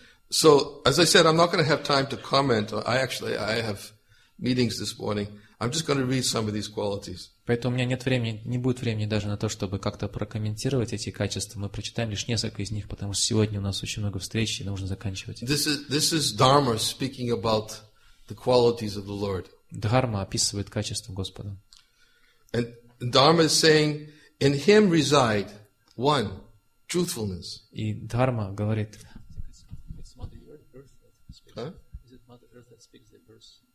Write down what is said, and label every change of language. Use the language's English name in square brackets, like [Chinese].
[English] So, as I said, I'm not going to have time to comment. I have meetings this morning. I'm just going to read some of these qualities. [Russian] Поэтому у меня нет времени, не будет времени даже на то, чтобы как-то прокомментировать эти качества. Мы прочитаем лишь несколько из них, потому что сегодня у нас очень много встреч, и нужно заканчивать. [English] This is Dharma speaking about the qualities of the Lord. [Russian] Дхарма описывает качества Господа. [English] And Dharma is saying, in Him reside one, truthfulness. [Russian] И Дхарма говорит. Huh? [English] Is it Mother Earth that speaks the verse?